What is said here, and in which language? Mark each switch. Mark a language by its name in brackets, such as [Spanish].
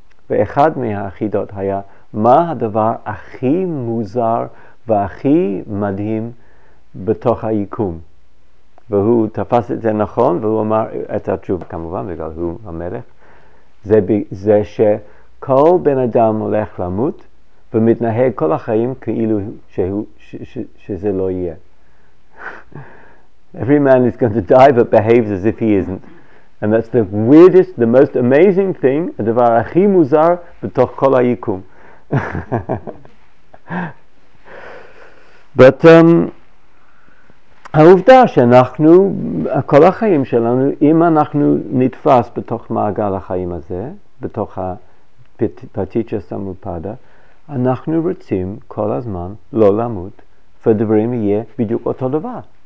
[Hebrew] ואחד מהחידות היה, מה הדבר הכי מוזר והכי מדהים בתוך היקום? והוא תפס את זה נכון, והוא אמר את התשובה, כמובן, בגלל הוא המלך, זה שכל בן אדם הולך למות, ומתנהג כל החיים כאילו שזה לא יהיה. [English] Every man is going to die, but behaves as if he isn't. And that's the weirdest, the most amazing thing, [Hebrew] הדבר הכי מוזר בתוך כל היקום. But העובדה שאנחנו, כל החיים שלנו, אם אנחנו נתפס בתוך מעגל החיים הזה, בתוך הפטיצ'ה סמופדה, אנחנו רוצים כל הזמן לא למות, ודברים יהיה בדיוק אותו דבר.